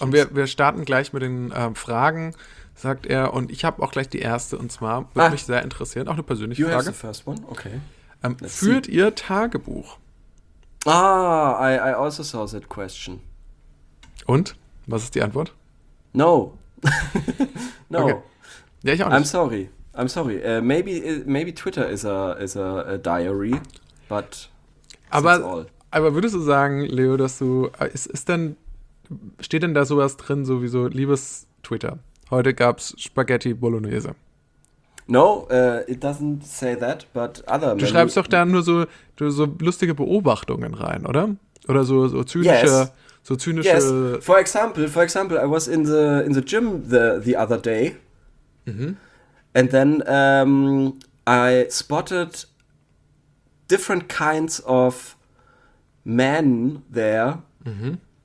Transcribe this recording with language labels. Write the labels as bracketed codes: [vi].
[de] Und wir starten gleich mit den Fragen, sagt er. Und ich habe auch gleich die erste, und zwar würde mich sehr interessieren, auch eine persönliche Frage. [en] You have the first one, okay. [de] Führt ihr Tagebuch? [en] Ah, I also saw that question. [de] Und? Was ist die Antwort? [en] No. No. Okay. [de] Ja, ich auch nicht. [en] I'm sorry. Maybe Twitter is a diary, but... [de] Aber, würdest du sagen, Leo, dass du, steht denn da sowas drin, so wie so, liebes Twitter, heute gab's Spaghetti Bolognese? [en] No, it doesn't say that, but other... [de] Du schreibst doch da nur so lustige Beobachtungen rein, oder? Oder so zynische... [en] Yes. [de] So zynische... [en] Yes, for example, I was in the gym the other day. Mm-hmm. And then I spotted different kinds of men there. Mm-hmm.